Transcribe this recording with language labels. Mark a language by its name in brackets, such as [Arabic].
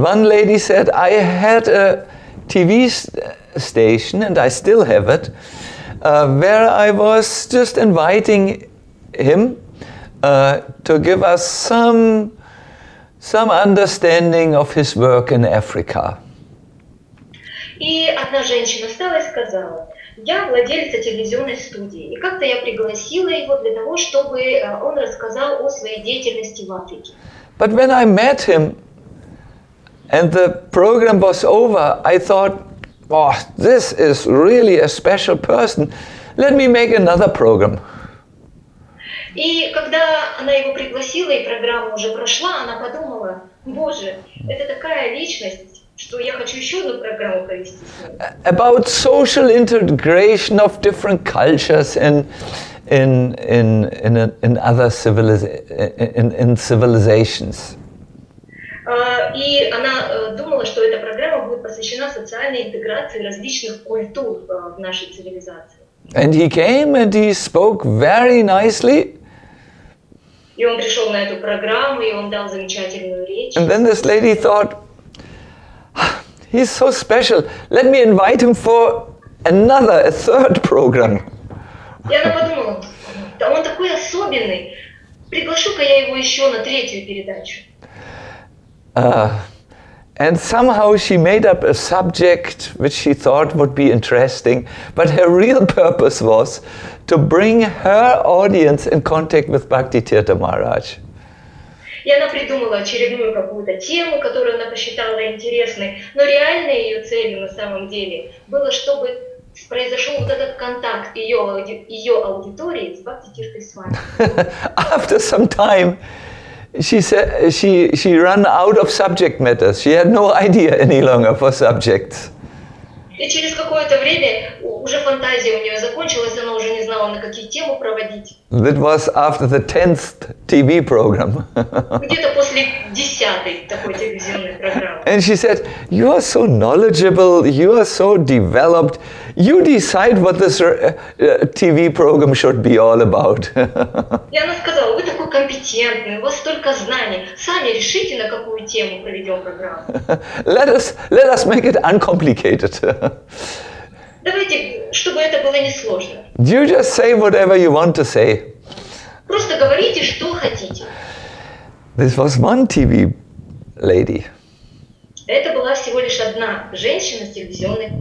[English] One lady said, "I had a TV station, and I still have it, where I was just inviting him to give us some understanding of his work in Africa." [Russian] И одна женщина встала и сказала: "Я владелица телевизионной студии, и как-то я пригласила его для того, чтобы он рассказал о своей деятельности в Африке." [English] But when I met him and the program was over, I thought, "Oh, this is really a special person. Let me make another program." [Russian] И когда она его пригласила и программа уже прошла, она подумала: "Боже, это такая личность, что я хочу еще одну программу провести с ним." [English] About social integration of different cultures in other civilizations. [Russian] И она думала, что эта программа будет посвящена социальной интеграции различных культур в нашей цивилизации. [English] And he came and he spoke very nicely. [Russian] И он пришел на эту программу, и он дал замечательную речь. [English] And then this lady thought, "He's so special. Let me invite him for another, a third program." [Russian] И она подумала: "Да он такой особенный. Приглашу-ка я его еще на третью передачу." [English] And somehow she made up a subject which she thought would be interesting, but her real purpose was to bring her audience in contact with Bhakti Tirtha Maharaj. [Russian] И она придумала очередную какую-то тему, которую она посчитала интересной, но реальной ее целью на самом деле было, чтобы произошел вот этот контакт ее аудитории с Бхакти Тиртхой Свами. [English] After some time, she said she ran out of subject matters. She had no idea any longer for subjects. [Russian] И через какое-то время уже фантазия у нее закончилась, она уже не знала, на какие темы проводить. [English] That was after the 10th TV program. [Russian] Где-то после 10-й такой телевизионной программы. [English] And she said, you are so knowledgeable, you are so developed, you decide what this TV program should be all about. [Russian] И она сказала, вы такой компетентный, у вас столько знаний, сами решите, на какую тему проведем программу. [English] Let us make it uncomplicated. [Russian] Давайте, чтобы это было несложно. [English] You just say whatever you want to say. [Russian] Просто говорите, что хотите. [English] This was one TV lady. [Russian] Это была всего лишь одна женщина с телевизионной.